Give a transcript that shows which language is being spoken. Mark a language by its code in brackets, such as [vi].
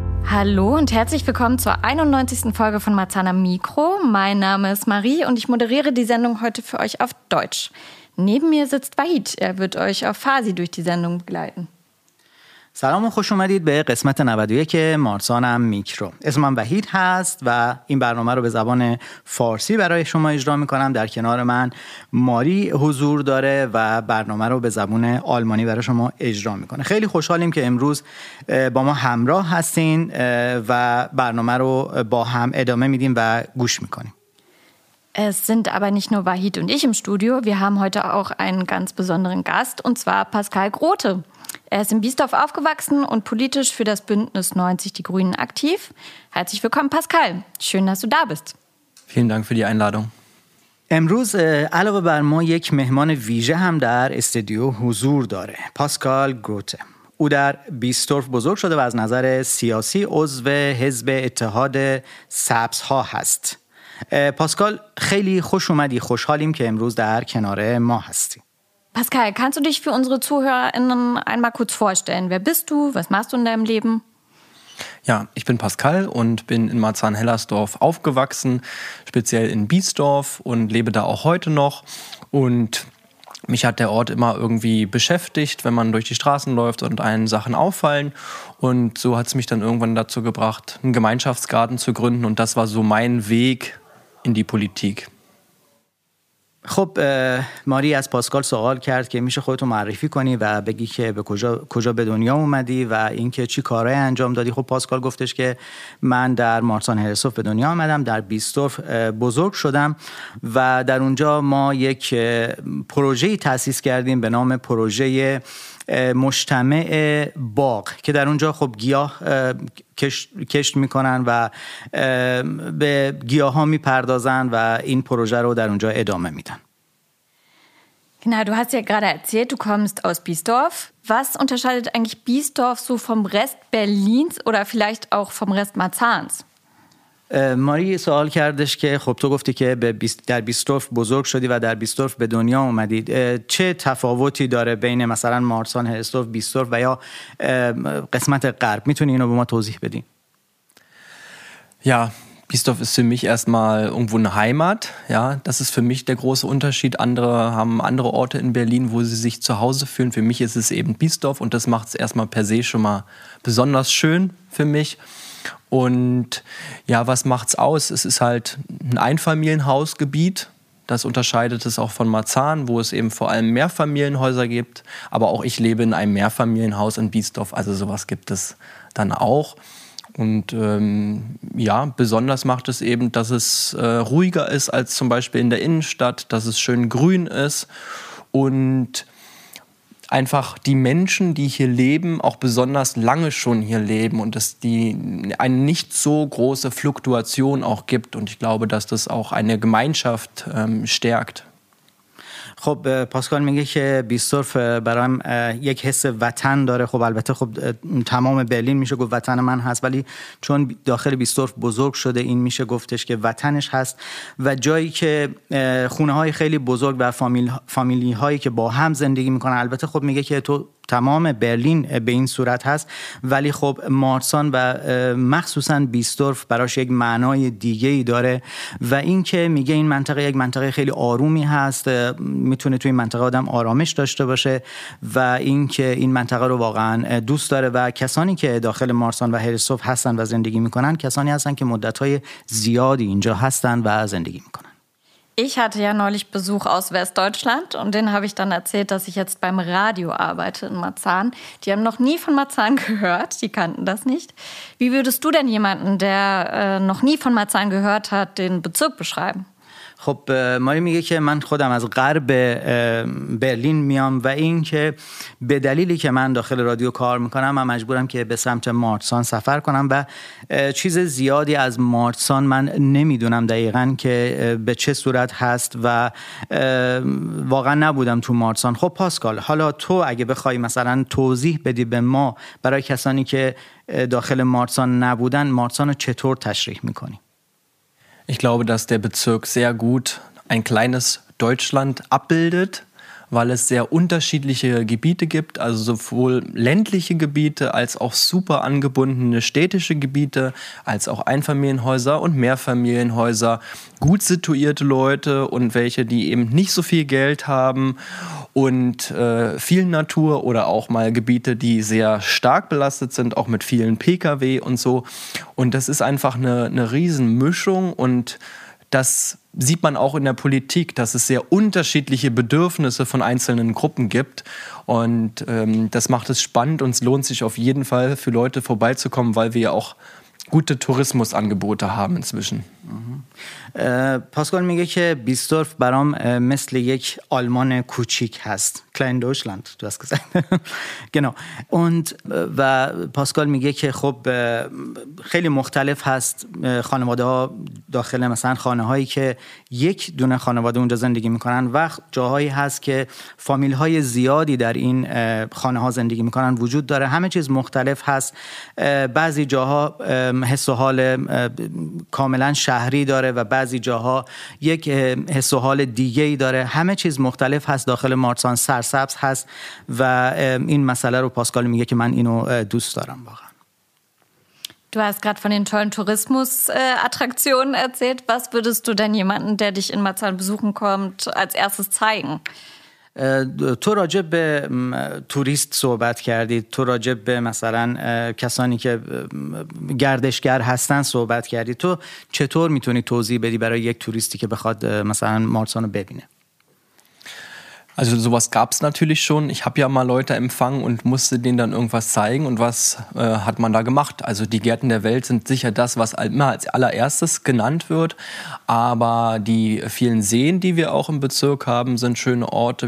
[de] Hallo und herzlich willkommen zur 91. Folge von Marzahn am Mikro. Mein Name ist Marie und ich moderiere die Sendung heute für euch auf Deutsch. Neben mir sitzt Wahid. Er wird euch auf Farsi durch die Sendung begleiten. [fa] سلام و خوش اومدید به قسمت 91 مارزان هم میکرو. اسمم وحید هست و این برنامه رو به زبان فارسی برای شما اجرا میکنم. در کنار من ماری حضور داره و برنامه رو به زبان آلمانی برای شما اجرا میکنه. خیلی خوشحالیم که امروز با ما همراه هستین و برنامه رو با هم ادامه میدیم و گوش میکنیم. [de] Es sind aber nicht nur Wahid und ich im Studio, wir haben heute auch einen ganz besonderen Gast und zwar Pascal Grote. Er ist in Biesdorf aufgewachsen und politisch für das Bündnis 90 Die Grünen aktiv. Herzlich willkommen, Pascal. Schön, dass du da bist. Vielen Dank für die Einladung. [fa] امروز علاوه بر ما یک مهمان ویژه هم در استودیو حضور داره. پاسکال گروته. او در بیستورف بزرگ شده و از نظر سیاسی عضو حزب اتحاد سبز ها هست. پاسکال خیلی خوش اومدی. خوشحالیم که امروز در کنار ما هستی. [de] Pascal, kannst du dich für unsere ZuhörerInnen einmal kurz vorstellen? Wer bist du? Was machst du in deinem Leben? Ja, ich bin Pascal und bin in Marzahn-Hellersdorf aufgewachsen, speziell in Biesdorf und lebe da auch heute noch. Und mich hat der Ort immer irgendwie beschäftigt, wenn man durch die Straßen läuft und einen Sachen auffallen. Und so hat es mich dann irgendwann dazu gebracht, einen Gemeinschaftsgarten zu gründen. Und das war so mein Weg in die Politik. [fa] خب ماری از پاسکال سوال کرد که میشه خودتو معرفی کنی و بگی که به کجا به دنیا اومدی و اینکه چی کارهای انجام دادی. خب پاسکال گفتش که من در مارتان هرسوف به دنیا آمدم، در بیستورف بزرگ شدم و در اونجا ما یک پروژه تأسیس کردیم به نام پروژه مجتمع باغ که در اونجا خب گیاه کشت میکنن و به گیاه ها میپردازن و این پروژه رو در اونجا ادامه میدن. [de] Genau, du hast ja gerade erzählt, du kommst aus Biesdorf. Was unterscheidet eigentlich Biesdorf so vom Rest Berlins oder vielleicht auch vom Rest Marzahns? [fa] ماری سوال کردش که خب تو گفتی که در بیستورف بزرگ شدی و در بیستورف به دنیا اومدید. چه تفاوتی داره بین مثلا مارسان، هرستورف، بیستورف و یا قسمت غرب؟ میتونی اینو به ما توضیح بدین؟ [de] Ja, Biesdorf ist für mich erstmal irgendwo eine Heimat. Ja, das ist für mich der große Unterschied. Andere haben andere Orte in Berlin, wo sie sich zu Hause fühlen. Für mich ist es eben Biesdorf und das macht es erstmal per se schon mal besonders schön für mich. Und ja, was macht's aus? Es ist halt ein Einfamilienhausgebiet. Das unterscheidet es auch von Marzahn, wo es eben vor allem Mehrfamilienhäuser gibt. Aber auch ich lebe in einem Mehrfamilienhaus in Biesdorf. Also sowas gibt es dann auch. Und ja, besonders macht es eben, dass es ruhiger ist als zum Beispiel in der Innenstadt, dass es schön grün ist und einfach die Menschen, die hier leben, auch besonders lange schon hier leben und dass die eine nicht so große Fluktuation auch gibt. Und ich glaube, dass das auch eine Gemeinschaft stärkt. [fa] خب پاسکال میگه که بیستورف برام یک حس وطن داره. خب البته خب تمام برلین میشه گفت وطن من هست، ولی چون داخل بیستورف بزرگ شده این میشه گفتش که وطنش هست و جایی که خونه های خیلی بزرگ و فامیلی هایی که با هم زندگی میکنن. البته خب میگه که تو تمام برلین به این صورت هست، ولی خب مارسان و مخصوصا بیستورف براش یک معنای دیگه ای داره و اینکه میگه این منطقه یک منطقه خیلی آرومی هست، میتونه توی این منطقه آدم آرامش داشته باشه و اینکه این منطقه رو واقعا دوست داره و کسانی که داخل مارسان و هرسوف هستن و زندگی میکنن کسانی هستن که مدت‌های زیادی اینجا هستن و زندگی میکنن. [de] Ich hatte ja neulich Besuch aus Westdeutschland und denen habe ich dann erzählt, dass ich jetzt beim Radio arbeite in Marzahn. Die haben noch nie von Marzahn gehört, die kannten das nicht. Wie würdest du denn jemanden, der noch nie von Marzahn gehört hat, den Bezirk beschreiben? [fa] خب مالی میگه که من خودم از غرب برلین میام و این که به دلیلی که من داخل رادیو کار میکنم من مجبورم که به سمت مارتسان سفر کنم و چیز زیادی از مارتسان من نمیدونم دقیقا که به چه صورت هست و واقعا نبودم تو مارتسان. خب پاسکال، حالا تو اگه بخوای مثلا توضیح بدی به ما برای کسانی که داخل مارتسان نبودن، مارتسان رو چطور تشریح میکنی؟ [de] Ich glaube, dass der Bezirk sehr gut ein kleines Deutschland abbildet, weil es sehr unterschiedliche Gebiete gibt, also sowohl ländliche Gebiete als auch super angebundene städtische Gebiete, als auch Einfamilienhäuser und Mehrfamilienhäuser, gut situierte Leute und welche, die eben nicht so viel Geld haben und viel Natur oder auch mal Gebiete, die sehr stark belastet sind, auch mit vielen Pkw und so. Und das ist einfach eine Riesenmischung und das sieht man auch in der Politik, dass es sehr unterschiedliche Bedürfnisse von einzelnen Gruppen gibt. Und das macht es spannend und es lohnt sich auf jeden Fall für Leute vorbeizukommen, weil wir ja auch gute Tourismusangebote haben inzwischen. [fa] Pascal میگه که بیستورف برام مثل یک آلمان کوچیک هست. [de] Klein Deutschland, du hast gesagt. Genau. Und [fa] و پاسکال میگه که خب خیلی مختلف هست خانواده ها داخل مثلا خانه هایی که یک دونه خانواده اونجا زندگی میکنن و جاهایی هست که فامیل های زیادی در این خانه ها زندگی میکنن وجود داره. همه چیز مختلف هست. بعضی جاها حس و حال کاملا شهری داره و بعضی جاها یک حس و حال دیگه ای داره. همه چیز مختلف هست داخل مارتسان، سرسبز هست و این مسئله رو پاسکال میگه که من اینو دوست دارم واقعا. [de] Du hast gerade von den tollen Tourismus-Attraktionen erzählt. Was würdest du denn jemanden, der dich in Marzahn besuchen kommt, als erstes zeigen? [fa] تو راجع به توریست صحبت کردی، تو راجع به مثلا کسانی که گردشگر هستن صحبت کردی، تو چطور میتونی توضیح بدی برای یک توریستی که بخواد مثلا مارتسان رو ببینه؟ [de] Also sowas gab's natürlich schon. Ich habe ja mal Leute empfangen und musste denen dann irgendwas zeigen. Und was hat man da gemacht? Also die Gärten der Welt sind sicher das, was immer als allererstes genannt wird. Aber die vielen Seen, die wir auch im Bezirk haben, sind schöne Orte.